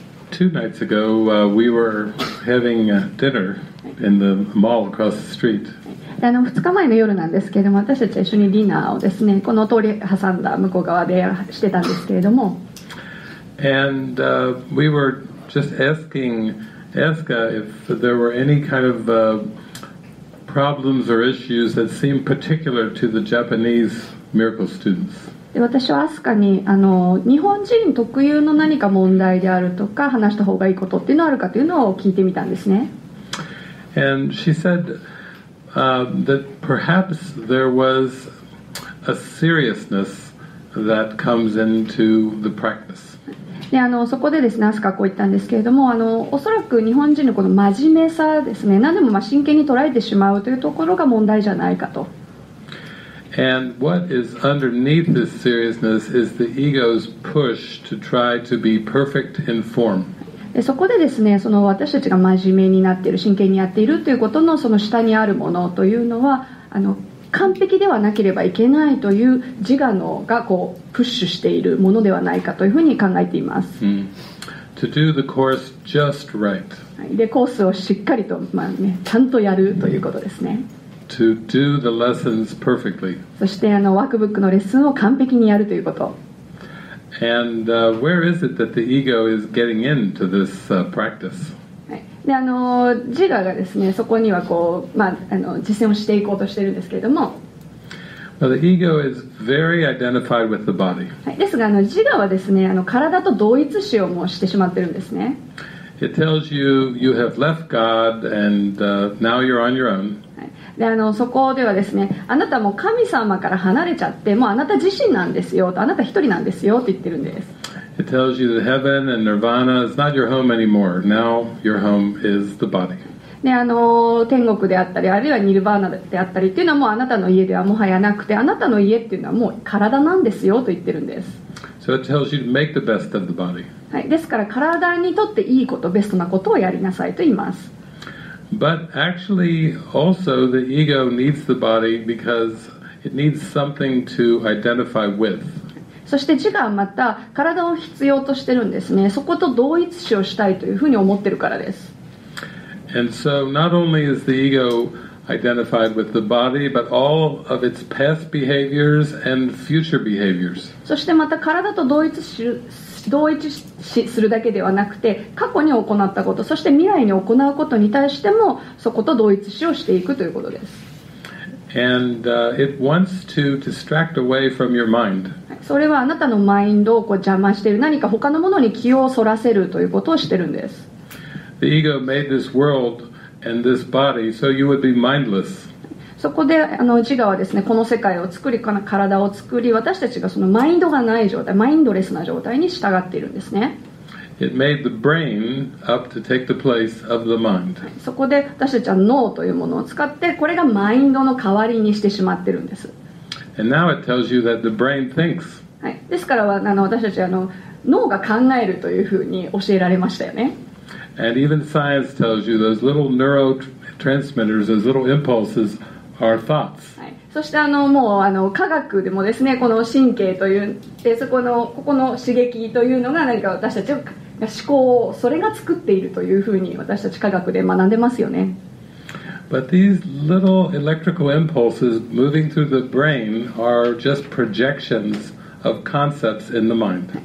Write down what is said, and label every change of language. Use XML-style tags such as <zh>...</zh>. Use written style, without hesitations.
<en>Two nights ago, we were having dinner in the mall across the street.</en> <ja>2日前の夜なんですけれども、私たち一緒にディナーをですね、この通り挟んだ向こう側でしてたんですけれども。</ja> <en>And we were just asking Asuka if there were any kind of problems or issues that seemed particular to the Japanese miracle students.</en> <ja>私はアスカに日本人特有の何か問題であるとか話した方がいいことっていうのはあるかというのを聞いてみたんですね。</ja> <en>And she said, that perhaps there was a seriousness that comes into the practice.</en> <ja>で、そこでですね、アスカはこう言ったんですけれども、おそらく日本人のこの真面目さですね、何でも真剣に捉えてしまうというところが問題じゃないかと。</ja> <en>And what is underneath this seriousness is the ego's push to try to be perfect in form.</en> <ja>そこでですね、その私たちが真面目になっている、真剣にやっているということのその下にあるものというのは、完璧ではなければいけないという自我のがこうプッシュしているものではないかというふうに考えています。</ja> <en>To do the course just right.</en> <ja>で、コースをしっかりと、ね、ちゃんとやるということですね。</ja> <en>To do the lessons perfectly.</en> <ja>そしてワークブックのレッスンを完璧にやるということ。</ja> <en>And where is it that the ego is getting into this practice?</en> <ja>で、自我がですね、そこにはこう、実践をしていこうとしているんですけれども。</ja> <en>Well, the ego is very identified with the body.</en> <ja>ですが、自我はですね、体と同一視をもうしてしまってるんですね。</ja> <en>It tells you you have left God and now you're on your own.</en> <ja>で、そこではですね、あなたも神様から離れちゃって、もうあなた自身なんですよと、あなた一人なんですよと言ってるんです。</ja> <en>It tells you that heaven and nirvana is not your home anymore. Now your home is the body.</en> <ja>で、天国であったり、あるいはニルバーナであったりっていうのはもうあなたの家ではもはやなくて、あなたの家っていうのはもう体なんですよと言ってるんです。</ja> <en>So it tells you to make the best of the body.</en> <ja>はい、ですから体にとっていいこと、ベストなことをやりなさいと言います。</ja> <en>But actually, also the ego needs the body because it needs something to identify with.</en> <ja>そして自我はまた体を必要としてるんですね。そこと同一視をしたいというふうに思ってるからです。</ja> <en>And so not only is the ego identified with the body, but all of its past behaviors and future behaviors.</en> <ja>そしてまた体と同一視するだけではなくて、過去に行ったこと、そして未来に行うことに対してもそこと同一視をしていくということです。</ja> <en>And, it wants to distract away from your mind.</en> <ja>それはあなたのマインドをこう邪魔している、何か他のものに気をそらせるということをしているんです。</ja> <en>The ego made this world and this body, so you would be mindless.</en> <ja>そこで内側ですね、この世界を作り、この体を作り、私たちがそのマインドがない状態、マインドレスな状態に従っているんですね。</ja> <en>It made the brain up to take the place of the mind.</en> <ja>そこで私たちは脳というものを使って、これがマインドの代わりにしてしまってるんです。</ja> <en>And now it tells you that the brain thinks.</en> <ja>はい。ですからは私たち脳が考えるというふうに教えられましたよね。</ja> <en>And even science tells you those little neurotransmitters, those little impulses, are thoughts.</en> <ja>はい。そしてもう科学でもですね、この神経という、でそこのここの刺激というのが何か私たちを思考をそれが作っているというふうに私たち科学で学んでますよね。</ja> <en>But these little electrical impulses moving through the brain are just projections of concepts in the mind.</en>